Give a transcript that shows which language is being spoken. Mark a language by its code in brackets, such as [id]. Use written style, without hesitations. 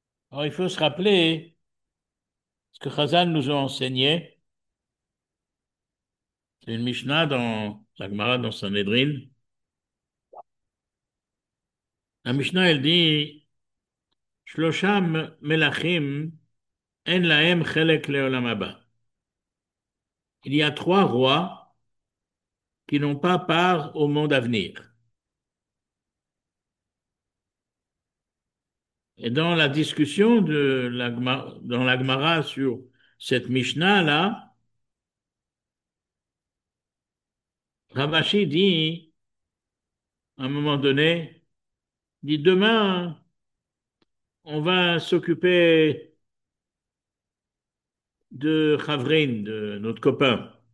[fr] Alors, il faut se rappeler ce que Chazal nous a enseigné. C'est une Mishnah dans la Gemara, dans Sanhedrin. La Mishnah, elle dit, [he] שלושה מלכים אין להם חלק לעולם הבא. [fr] Il y a trois rois qui n'ont pas part au monde à venir. Et dans la discussion de dans la Gemara sur cette Mishnah-là, Ravashi dit, à un moment donné, dit demain, on va s'occuper de Chavrin, de notre copain.